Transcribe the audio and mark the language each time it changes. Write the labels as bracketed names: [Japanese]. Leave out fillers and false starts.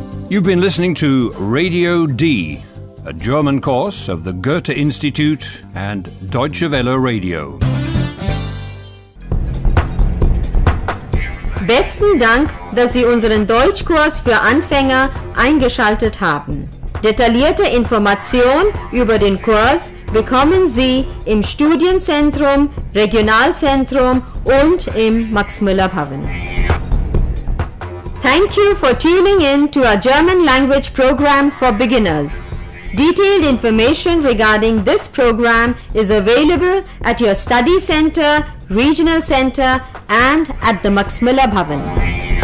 [English] You've been listening to Radio D, a German course of the Goethe Institut and Deutsche Welle Radio. [German] Besten Dank, dass Sie unseren Deutschkurs für Anfänger eingeschaltet haben. Detaillierte Informationen über den Kurs bekommen Sie im Studienzentrum, Regionalzentrum und im Max-Müller-Pavillon. [English] Thank you for tuning in to our German language program for beginners. Detailed information regarding this program is available at your study center, regional center and at the Max-Müller-Pavillon.